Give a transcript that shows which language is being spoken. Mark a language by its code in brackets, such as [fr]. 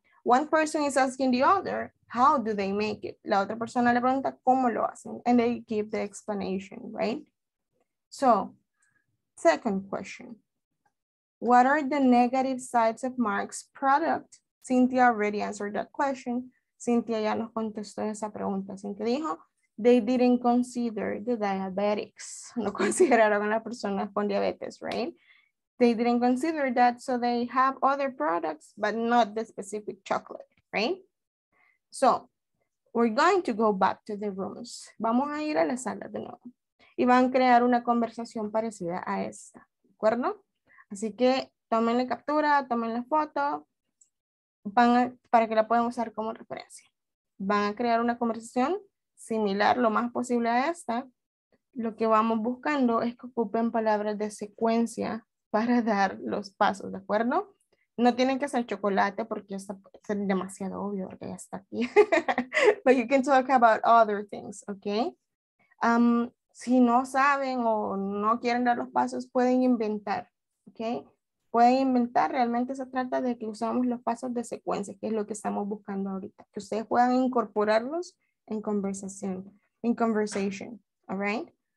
[en] One person is asking the other, how do they make it? [es] La otra persona le pregunta, ¿cómo lo hacen? [en] And they give the explanation, right? So, second question. What are the negative sides of Mark's product? Cynthia already answered that question. [es] Cynthia ya los contestó esa pregunta. Cynthia dijo, [en] they didn't consider the diabetics. [es] No consideraron a las personas con diabetes, right? [en] They didn't consider that, so they have other products, but not the specific chocolate, right? So, we're going to go back to the rooms. [es] Vamos a ir a la sala de nuevo. Y van a crear una conversación parecida a esta, ¿de acuerdo? Así que tomen la captura, tomen la foto, van a, para que la puedan usar como referencia. Van a crear una conversación similar lo más posible a esta. Lo que vamos buscando es que ocupen palabras de secuencia para dar los pasos, ¿de acuerdo? No tienen que hacer chocolate porque ya está demasiado obvio porque ya está aquí. [en] But you can talk about other things, okay? [es] Si no saben o no quieren dar los pasos, pueden inventar, okay? Pueden inventar, realmente se trata de que usamos los pasos de secuencia, que es lo que estamos buscando ahorita. Que ustedes puedan incorporarlos en conversación, [en] in conversation, all right?